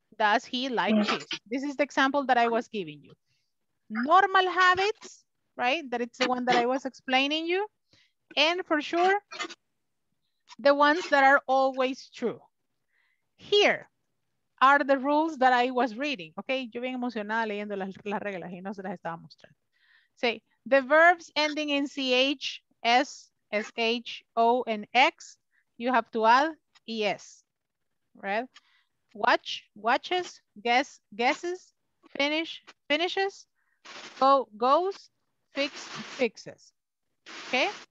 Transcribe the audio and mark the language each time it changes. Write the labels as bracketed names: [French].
[English] Does he like cheese? This is the example that I was giving you. Normal habits, right? That it's the one that I was explaining you. And for sure, the ones that are always true. Here are the rules that I was reading. [Spanish] Okay, yo bien emocionada leyendo las reglas y no se las estaba mostrando. [English] Say, the verbs ending in CH, S, SH, O, and X, you have to add ES, right? Watch, watches, guess, guesses, finish, finishes, go, goes, fix, fixes, okay?